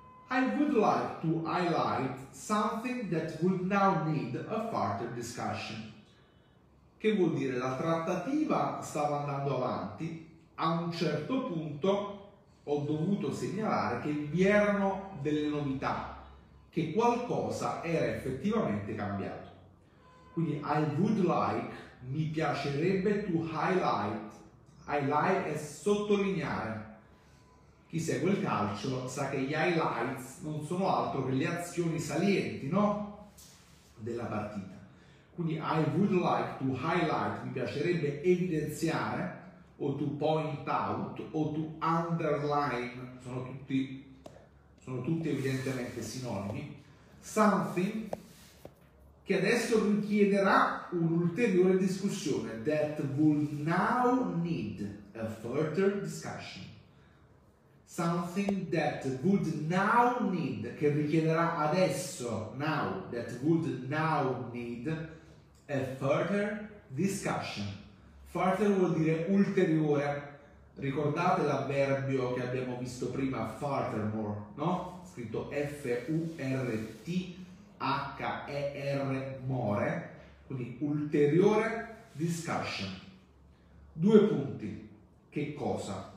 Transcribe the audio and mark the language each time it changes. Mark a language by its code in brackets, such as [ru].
[en] I would like to highlight something that would now need a further discussion. [it] Che vuol dire? La trattativa stava andando avanti, a un certo punto ho dovuto segnalare che vi erano delle novità, che qualcosa era effettivamente cambiato. [en] Quindi I would like, [it] mi piacerebbe [en] to highlight. [it] Highlight è sottolineare. Chi segue il calcio sa che gli highlights non sono altro che le azioni salienti, no? Della partita. Quindi [en] I would like to highlight, [it] mi piacerebbe evidenziare, o [en] to point out, [it] o [en] to underline, [it] sono tutti evidentemente sinonimi, something che adesso richiederà un'ulteriore discussione, [en] that will now need a further discussion. Something that would now need, [it] che richiederà adesso, [en] now, that would now need a further discussion. [it] Further vuol dire ulteriore. Ricordate l'avverbio che abbiamo visto prima, furthermore, no? Scritto F-U-R-T-H-E-R, more, quindi ulteriore discussion. Due punti. Che cosa?